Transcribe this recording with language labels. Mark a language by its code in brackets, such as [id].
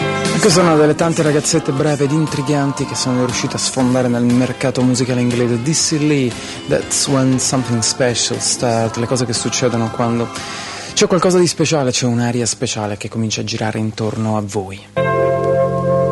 [it] Queste sono delle tante ragazzette brave ed intriganti che sono riuscite a sfondare nel mercato musicale inglese. [en] This is Lee, that's when something special starts. [it] Le cose che succedono quando c'è qualcosa di speciale, c'è un'aria speciale che comincia a girare intorno a voi.